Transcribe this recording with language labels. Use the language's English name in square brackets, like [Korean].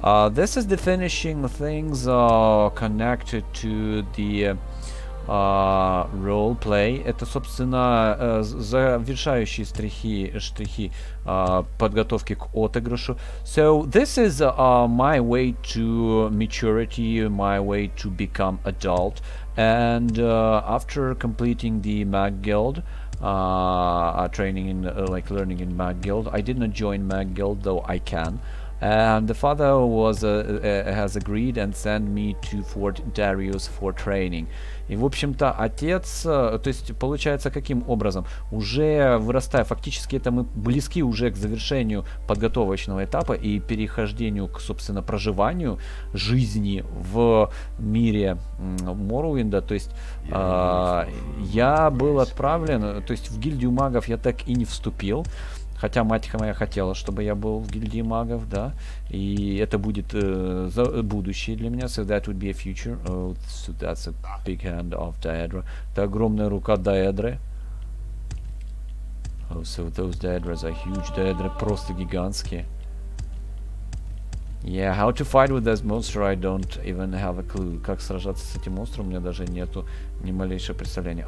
[English] This is the finishing things connected to the role play. [Russian] Это собственно завершающие штрихи подготовки к отыгрышу. [English] So this is my way to maturity, my way to become adult. And after completing the Mag Guild training in like learning in Mag Guild, I did not join Mag Guild though I can. And the father was has agreed and sent me to Fort Darius for training. [Russian] И, в общем-то, отец, то есть, получается, каким образом? Уже вырастая, фактически, это мы близки уже к завершению подготовочного этапа и перехождению к, собственно, проживанию жизни в мире Моруинда. То есть, я был отправлен, то есть, в гильдию магов я так и не вступил. Хотя мать моя хотела, чтобы я был в гильдии магов, да. И это будет за будущее для меня. [English] So that would be a future. Oh, so that's a big hand of Daedra. [Russian] Это огромная рука Даэдры. [English] Oh, so those Daedras are huge. [Russian] Даэдры просто гигантские. [English] Yeah, how to fight with this monster, I don't even have a clue. [Russian] Как сражаться с этим монстром, у меня даже нету ни малейшего представления.